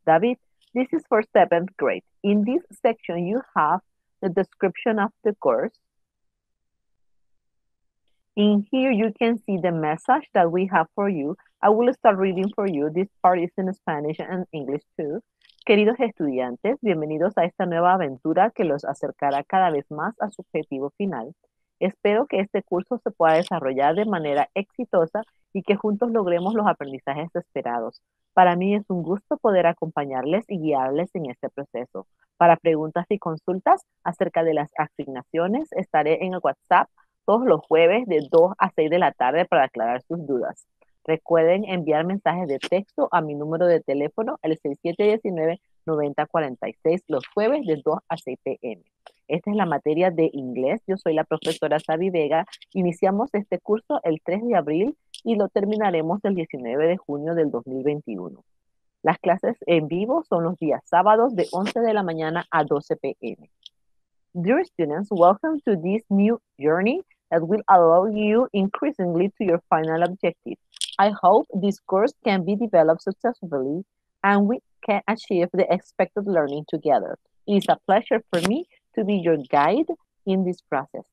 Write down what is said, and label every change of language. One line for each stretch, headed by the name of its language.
English: David, this is for 7th grade. In this section, you have the description of the course. In here, you can see the message that we have for you. I will start reading for you. This part is in Spanish and English too.
Spanish: Queridos estudiantes, bienvenidos a esta nueva aventura que los acercará cada vez más a su objetivo final. Espero que este curso se pueda desarrollar de manera exitosa y que juntos logremos los aprendizajes esperados. Para mí es un gusto poder acompañarles y guiarles en este proceso. Para preguntas y consultas acerca de las asignaciones, estaré en el WhatsApp todos los jueves de 2 a 6 de la tarde para aclarar sus dudas. Recuerden enviar mensajes de texto a mi número de teléfono, el 6719-9046, los jueves de 2 a 6 p.m. Esta es la materia de inglés. Yo soy la profesora Xavi Vega. Iniciamos este curso el 3 de abril y lo terminaremos el 19 de junio del 2021. Las clases en vivo son los días sábados de 11 de la mañana a 12 p.m.
English: Dear students, welcome to this new journey that will allow you increasingly to your final objective. I hope this course can be developed successfully and we can achieve the expected learning together. It is a pleasure for me to be your guide in this process.